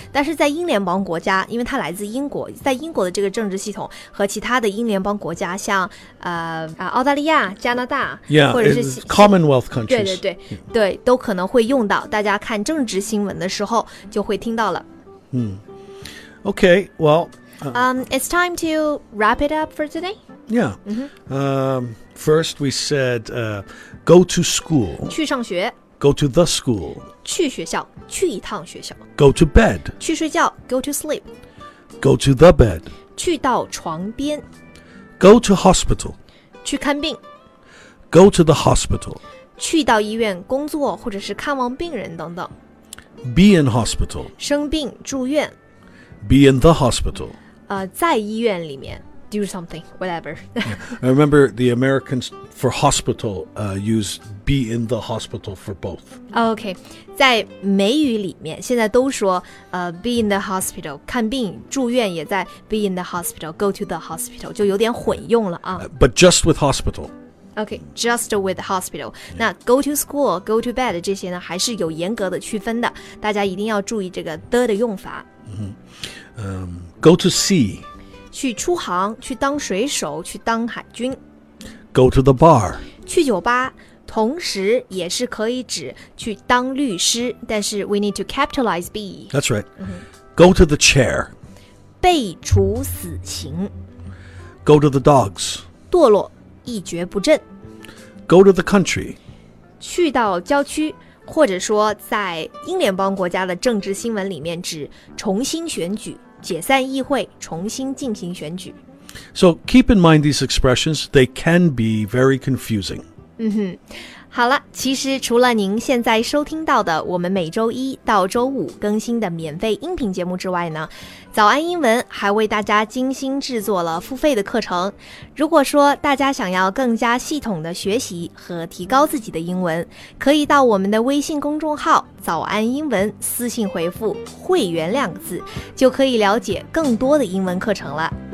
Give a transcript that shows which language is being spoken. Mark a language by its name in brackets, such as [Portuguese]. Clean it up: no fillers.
[Chinese] 但是在英联邦国家，因为它来自英国，在英国的这个政治系统和其他的英联邦国家，像澳大利亚、加拿大， [English] yeah, [Chinese] 或者是 [English] Commonwealth countries， [Chinese] 对对对对，都可能会用。大家看政治新闻的时候就会听到了。 [English] Okay, well, It's time to wrap it up for today. Yeah. Mm-hmm. First, we said go to school. [Chinese] 去上学。 [English] Go to the school. [Chinese] 去学校，去一趟学校。 [English] Go to bed. [Chinese] 去睡觉。 [English] Go to sleep. Go to the bed. [Chinese] 去到床边。 [English] Go to hospital. [Chinese] 去看病。 [English] Go to the hospital. [Chinese] 去到医院工作或者是看望病人等等。 [English] Be in hospital. [Chinese] 生病住院。 [English] Be in the hospital. [Chinese] 在医院里面。 [English] Do something, whatever. I remember the Americans for hospital use be in the hospital for both. Okay. [Chinese] 在美语里面现在都说 [English] be in the hospital, [Chinese] 看病住院也在 [English] be in the hospital, go to the hospital, [Chinese] 就有点混用了啊。 [English] But just with hospital. Okay, just with hospital. Yeah. [Chinese] 那 [English] go to school, go to bed [Chinese] 这些呢还是有严格的区分的，大家一定要注意这个的用法。 [English] Go to sea. [Chinese] 去出航，去当水手，去当海军。 [English] Go to the bar. [Chinese] 去酒吧，同时也是可以指去当律师，但是 [English] we need to capitalize be. That's right. Go to the chair. [Chinese] 被处死刑。 [English] Go to the dogs. [Chinese] 堕落。一蹶不振。 Go to the country. 去到郊区，或者说在英联邦国家的政治新闻里面指重新选举，解散议会，重新进行选举。 [English] So keep in mind these expressions, they can be very confusing. [Chinese] 好了，其实除了您现在收听到的我们每周一到周五更新的免费音频节目之外呢，早安英文还为大家精心制作了付费的课程。如果说大家想要更加系统的学习和提高自己的英文，可以到我们的微信公众号早安英文私信回复会员两个字，就可以了解更多的英文课程了。